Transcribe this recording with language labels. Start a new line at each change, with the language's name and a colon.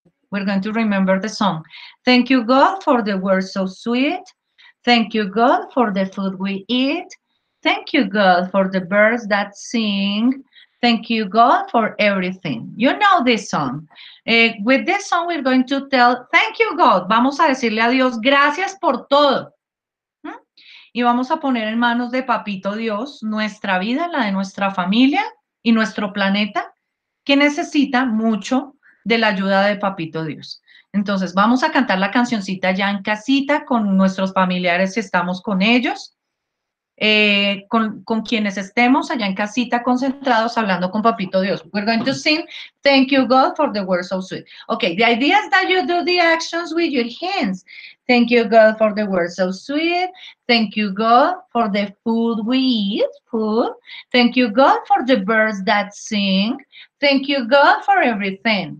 English: We're going to remember the song. Thank you God for the word so sweet. Thank you God for the food we eat. Thank you God for the birds that sing. Thank you God for everything. You know this song. With this song, we're going to tell thank you God.
Spanish: Vamos a decirle a Dios gracias por todo. Y vamos a poner en manos de Papito Dios nuestra vida, la de nuestra familia y nuestro planeta, que necesita mucho de la ayuda de Papito Dios. Entonces, vamos a cantar la cancioncita ya en casita con nuestros familiares si estamos con ellos, con quienes estemos allá en casita concentrados hablando con Papito Dios.
English: We're going to sing Thank You God for the Word So Sweet. Okay, the idea is that you do the actions with your hands. Thank you, God, for the word so sweet. Thank you, God, for the food we eat, food. Thank you, God, for the birds that sing. Thank you, God, for everything.